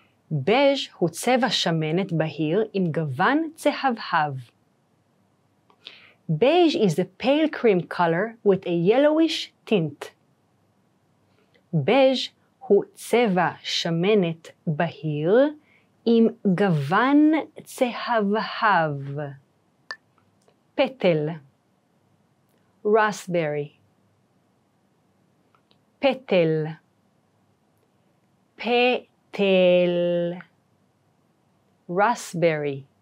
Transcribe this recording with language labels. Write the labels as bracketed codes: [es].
[he] Beige הוא צבע שמנת בהיר עם גוון צהבהב. [en] Beige is a pale cream color with a yellowish tint. [he] Beige הוא צבע שמנת בהיר עם גוון צהבהב. פטל. [en] Raspberry. [he] פטל. פטל. [en] Raspberry.